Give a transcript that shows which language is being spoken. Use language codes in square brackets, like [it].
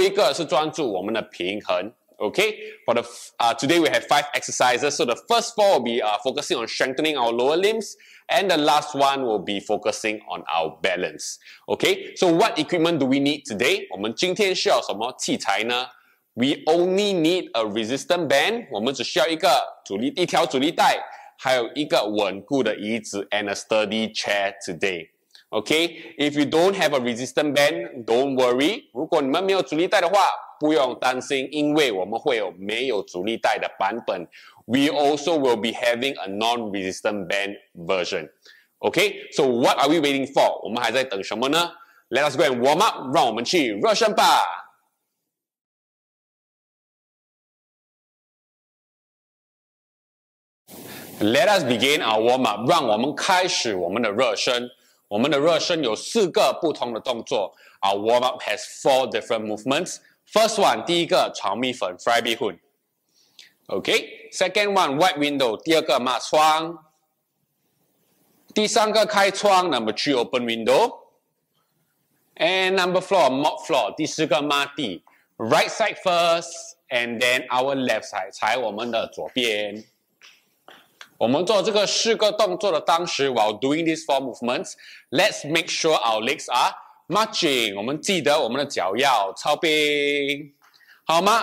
[zh] 我们总共有5个不同的运动。前4个是专注强健大腿的肌肉，最后一个是专注我们的平衡。 [en] Okay, for the today we have 5 exercises. So the first 4 will be focusing on strengthening our lower limbs, and the last one will be focusing on our balance. Okay, so what equipment do we need today? [zh] 我们今天需要什么器材呢？ [en] We only need a resistance band. [zh] 我们只需要一个阻力，一条阻力带， 还有一个稳固的椅子 [en] and a sturdy chair today. Okay, if you don't have a resistance band, don't worry. [zh] 如果你们没有阻力带的话， 不用担心，因为我们会有没有阻力带的版本。 [en] We also will be having a non-resistant band version. Okay, so what are we waiting for? [zh] 我们还在等什么呢？ [en] Let us go and warm up, [zh] 让我们去热身吧。 [en] Let us begin our warm up, [zh] 让我们开始我们的热身。我们的热身有4个不同的动作。 [en] Our warm up has 4 different movements. First one, [zh] 第一个炒米粉, [en] fry bee hoon. Okay, second one, wipe window, [zh] 第二个抹窗。第三个开窗, [en] number 3, open window. And number 4, mop floor, [zh] 第四个抹地。 [en] Right side first, and then our left side, [zh] 踩我们的左边。我们做这个4个动作的当时, [en] while doing these 4 movements, let's make sure our legs are marching. [zh] 我们记得我们的脚要操兵。好吗?